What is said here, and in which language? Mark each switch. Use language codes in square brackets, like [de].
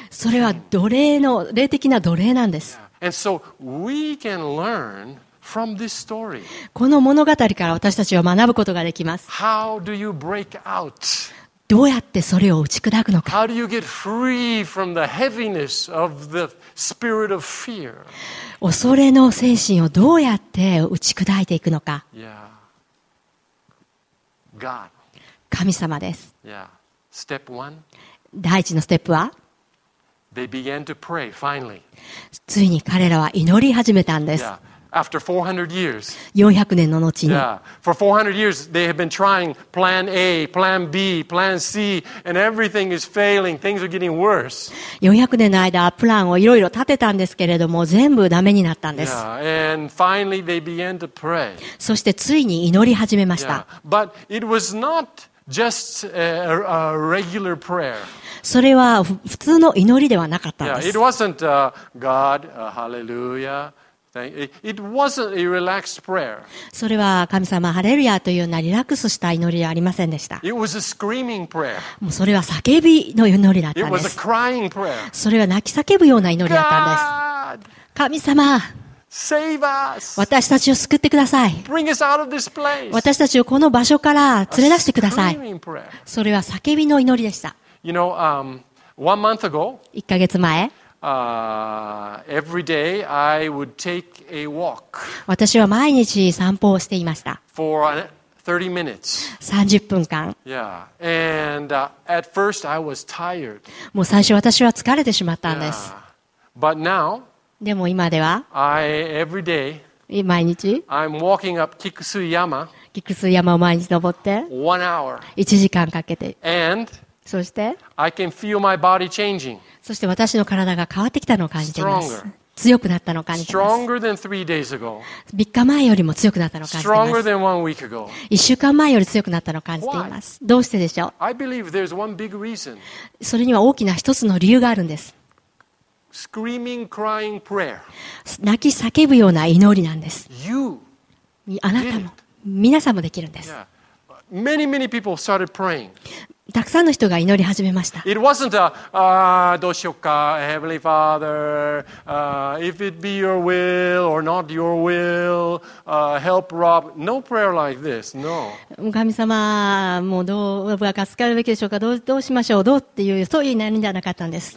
[ja] それは奴隷の霊的な奴隷なんです。 [en] And so we can learn from this story. [ja] この物語から私たちは学ぶことができます。 [en] How do you break out? [ja] どうやってそれを打ち砕くのか。 [en] How do you get free from the heaviness of the spirit of fear? [ja] 恐れの精神をどうやって打ち砕いていくのか。 [en] Yeah. God. [ja] 神様です。 [en] Yeah. Step one. [ja] 第一のステップは。 [en] They began to pray, finally. [ja] ついに彼らは祈り始めたんです。 [en] Yeah. After 400 years. [ja] 400年の後に。 [en] Yeah. For 400 years, they have been trying plan A, plan B, plan C, and everything is failing. Things are getting worse. [ja] 400年の間、プランをいろいろ立てたんですけれども、全部ダメになったんです。 [en] Yeah. And finally, they began to pray. [ja] そしてついに祈り始めました。 [en] Yeah. But it was not just a regular prayer. [ja] それは普通の祈りではなかったんです。 [en] Yeah, it wasn't God, hallelujah. It wasn't a relaxed prayer. [ja] それは神様ハレルヤというようなリラックスした祈りではありませんでした。 [en] It was a screaming prayer. [ja] もうそれは叫びの祈りだったんです。 [en] It was a crying prayer. [ja] それは泣き叫ぶような祈りだったんです。 [en] God! [ja] 神様。 [en] Save us. [ja] 私たちを救ってください。 [en] Bring us out of this place. [ja] 私たちをこの場所から連れ出してください。 [en] A screaming prayer. [ja] それは叫びの祈りでした。 [en] You know, one month ago, [ja] 1ヶ月前、 [en] every day I would take a walk. [ja] 私は毎日散歩をしていました。 [en] For 30 minutes. [ja] 30分間。 [en] Yeah. And, at first I was tired. [ja] もう最初私は疲れてしまったんです。 [en] Yeah. But now, [ja] でも今では、 [en] every day, [ja] 毎日、 [en] I'm walking up Kikusui Yama. [ja] Kikusui Yama を毎日登って、 [en] one hour. [ja] 1時間かけて。 [en] And, [ja] そして、 [en] I can feel my body changing. [ja] そして私の体が変わってきたのを感じています。 [en] Stronger. [ja] 強くなったのを感じています。 [en] Stronger than three days ago. [ja] 3日前よりも強くなったのを感じています。 [en] Stronger than one week ago. [ja] 1週間前より強くなったのを感じています。 [en] Why? [ja] どうしてでしょう? [en] I believe there's one big reason. [ja] それには大きな一つの理由があるんです。 [en] Screaming, crying prayer. [ja] 泣き叫ぶような祈りなんです。 [en] You. [ja] あなたも、皆さんもできるんです。 [en] Yeah. Many, many people started praying. [ja] たくさんの人が祈り始めました。 [en] It wasn't a, [ja] どうしようか、 [en] Heavenly Father, if it be your will or not your will, help Rob. No prayer like this, no. [ja] 神様、もうどう、僕が助かるべきでしょうか、どうしましょう、どうっていう、そういう祈りじゃなかったんです。